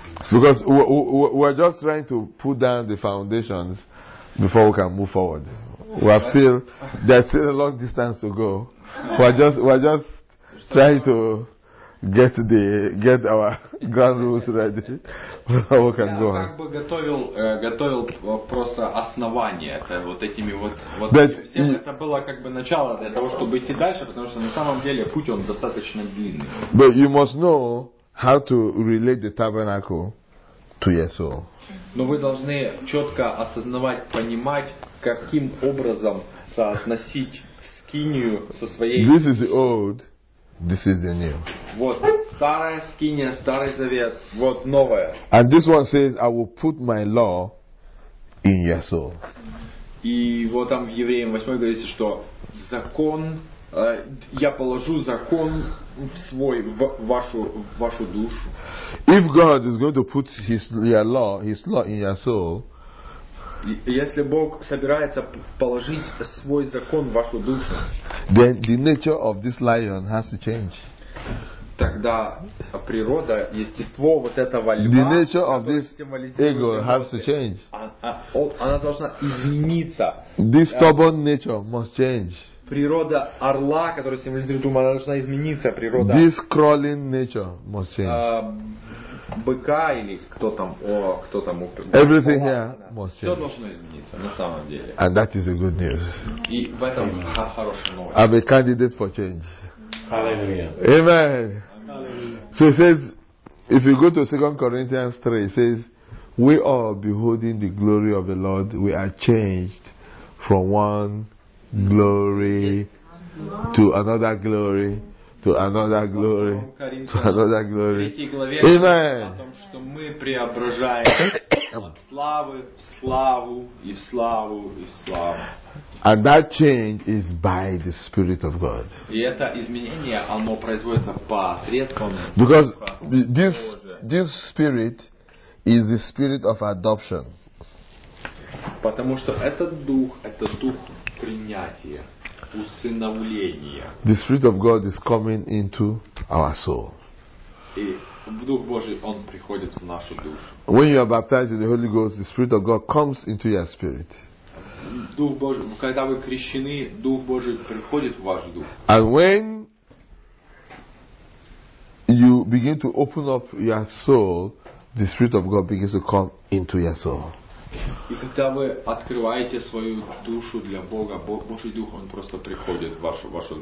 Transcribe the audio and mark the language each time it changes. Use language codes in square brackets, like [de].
[en] Because we're just trying to put down the foundations before we can move forward. We have still, there's still a long distance to go. We're just trying to get our ground rules ready before we can go on. [ru] Я как бы готовил просто основание, вот этими вот всем. Это было как бы начало для того, чтобы идти дальше, потому что на самом деле путь, он достаточно длинный. [en] But you must know how to relate the tabernacle to your soul. [ru] Но вы должны четко осознавать, понимать, каким образом соотносить скинию со своей... [en] This is the old. This is the new. [ru] Вот старая скиния, старый завет, вот новая. [en] And this one says, I will put my law in your soul. [ru] И вот там в Евреям 8 говорится, что закон, я положу закон в свой, в вашу душу. [en] If God is going to put his law in your soul, [ru] если Бог собирается положить свой закон в вашу душу, [en] then the nature of this lion has to change. [ru] Тогда природа, естество вот этого льва, [en] the nature of this ego has to change. [ru] Она должна измениться. [en] This stubborn nature must change. [ru] Природа орла, которая символизирует ум, она должна измениться. Природа. [en] This crawling nature must change. [ru] Быка или кто там, кто там упал. [en] Everything here must change. [ru] Все должно измениться, на самом деле. [en] And that is the good news. [ru] И в этом хорошая новость. [en] I'm a candidate for change. Hallelujah. Amen. So it says, if you go to 2 Corinthians 3, it says, we are beholding the glory of the Lord, we are changed from one glory to another glory. To another glory. To another glory. Amen. [ru] О том, что мы преображаем от славы в славу и в славу и в славу. [en] And that change is by the Spirit of God. [ru] И это изменение, оно производится посредством. [en] Because this Spirit is the Spirit of adoption. [ru] Потому что этот дух, это дух принятия. [en] The Spirit of God is coming into our soul. [ru] Дух Божий, он приходит в нашу душу. [en] When you are baptized with the Holy Ghost, the Spirit of God comes into your spirit. [ru] Дух Божий, когда вы крещены, Дух Божий приходит в ваш дух. [en] And when you begin to open up your soul, the Spirit of God begins to come into your soul. [ru] И когда вы открываете свою душу для Бога, Божий Дух, он просто приходит в вашу душу.